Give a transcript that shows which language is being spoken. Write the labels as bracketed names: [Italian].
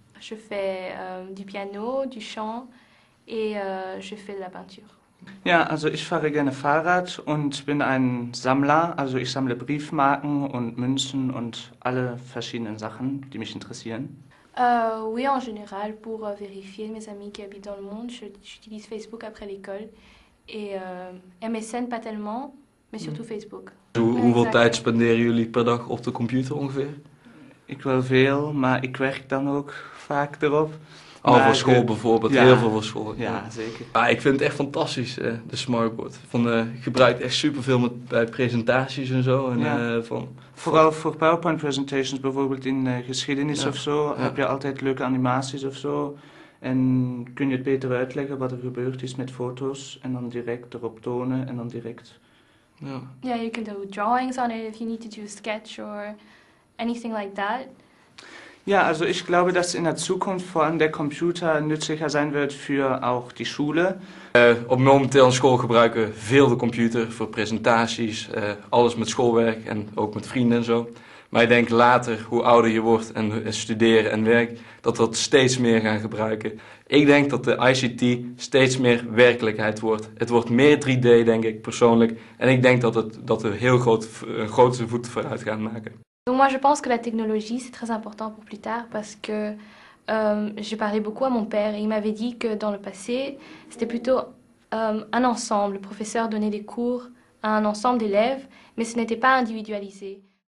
[French] Je fais du piano, du chant. Et je fais de la peinture. [German] Ja, also ich fahre gerne Fahrrad und bin ein Sammler. Also ich sammle Briefmarken und Münzen und alle verschiedenen Sachen, die mich interessieren. [French] Oui, en général, pour vérifier mes amis qui habitent dans le monde, j'utilise Facebook après l'école. Et MSN pas tellement, mais surtout Facebook. [Dutch] Hoeveel tijd spenderen jullie per dag op de computer ongeveer? Ik wel veel, maar ik werk dan ook vaak erop. Al voor school bijvoorbeeld, ja, heel veel voor school. Ja, zeker. Ja, ik vind het echt fantastisch, de smartboard. Gebruikt echt superveel bij presentaties en zo. En, ja. Vooral voor PowerPoint presentations, bijvoorbeeld in geschiedenis, ja, of zo, ja. Heb je altijd leuke animaties of zo. En kun je het beter uitleggen wat er gebeurd is met foto's en dan direct erop tonen en dan direct. Ja, je kunt ook [English] drawings on it if you need to do a sketch or anything like that. [German] Ja, also ich glaube, dass in der Zukunft vor allem der Computer nützlicher sein wird für auch die Schule. [Dutch] Op momenteel school gebruiken veel de computer voor presentaties, alles met schoolwerk en ook met vrienden en zo. Maar ik denk later, hoe ouder je wordt en studeren en werk, dat we dat steeds meer gaan gebruiken. Ik denk dat de ICT steeds meer werkelijkheid wordt. Het wordt meer 3D, denk ik, persoonlijk. En ik denk dat we een grote voet vooruit gaan maken. [French] Donc moi je pense que la technologie c'est très important pour plus tard parce que j'ai parlé beaucoup à mon père et il m'avait dit que dans le passé c'était plutôt un ensemble. Le professeur donnait des cours à un ensemble d'élèves mais ce n'était pas individualisé.